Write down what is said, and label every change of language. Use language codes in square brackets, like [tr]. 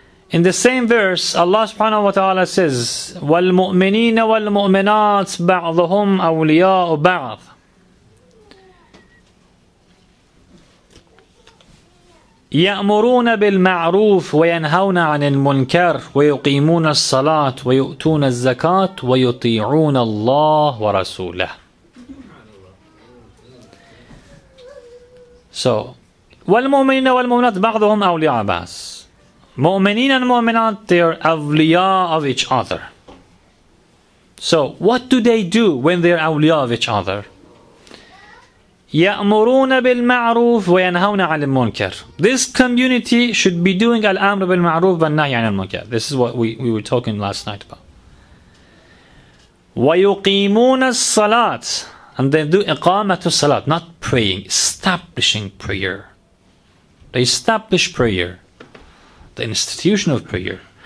[en] In the same verse, Allah subhanahu wa ta'ala says, [ar] وَالْمُؤْمِنِينَ وَالْمُؤْمِنَاتِ بَعْضُهُمْ أَوْلِيَاءُ بَعْضُ. يأمرون بالمعروف وينهون عن المنكر ويقيمون الصلاة ويؤتون الزكاة ويطيعون الله ورسوله. So, والمؤمنين والمؤمنات بعضهم أولياء بعض. [en] مؤمنين and مؤمنات, they are awliya of each other. So, what do they do when they are awliya of each other? [ar] يأمرون بالمعروف وينهون عن المنكر. [en] This community should be doing [ar] الأمر بالمعروف والنهي عن المنكر. [en] This is what we were talking last night about. [ar] ويقيمون الصلاة. [en] And they do [ar] إقامة الصلاة, [en] not praying, establishing prayer. They establish prayer, the institution of prayer.